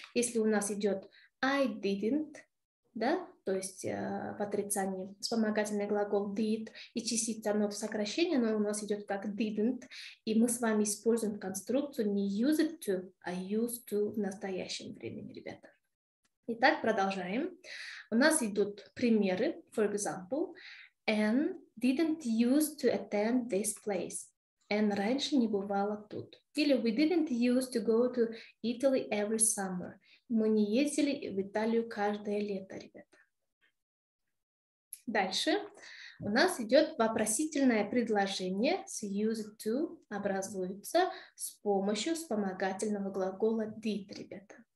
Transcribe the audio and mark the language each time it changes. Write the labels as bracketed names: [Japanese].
[Russian] Если у нас идет [English] «I didn't», [Russian] да? То есть в отрицании вспомогательный глагол «did» и частица «not» в сокращении, но у нас идет как «didn't», и мы с вами используем конструкцию не «used to», а «used to» в настоящем времени, ребята. Итак, продолжаем. У нас идут примеры. [English] For example, Anne didn't used to attend this place. [Russian] Anne раньше не бывала тут. [English] Или we didn't used to go to Italy every summer. [Russian] Мы не ездили в Италию каждое лето, ребята. Дальше у нас идет вопросительное предложение с used to образуется с помощью вспомогательного глагола did, ребята.